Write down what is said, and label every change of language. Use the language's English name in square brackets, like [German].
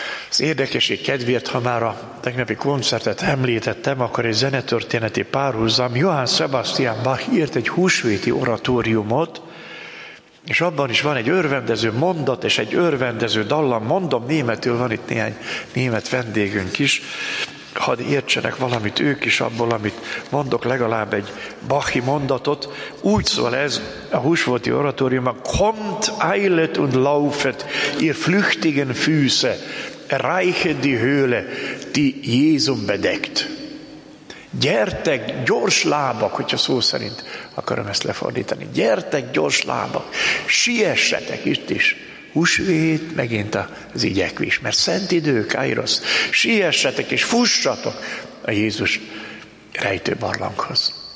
[Hungarian] Az érdekesség kedvéért, ha már a tegnapi koncertet említettem, akkor egy zenetörténeti párhuzam, Johann Sebastian Bach írt egy húsvéti oratóriumot, és abban is van egy örvendező mondat és egy örvendező dallam, mondom németül, van itt néhány német vendégünk is, hadd értsenek valamit ők is abból, amit mondok, legalább egy bachi mondatot. Úgy szól ez a húsvéti oratóriuma: [German] Kommt, eilet und laufet, ihr flüchtigen Füße, Reiche die Höhle, die Jézum bedeckt. [Hungarian] Gyertek, gyors lábak, hogyha szó szerint akarom ezt lefordítani. Gyertek, gyors lábak, siessetek itt is. Húsvét, megint az igyekvés, mert szent idő, kairos. Siessetek és fussatok a Jézus rejtő barlanghoz.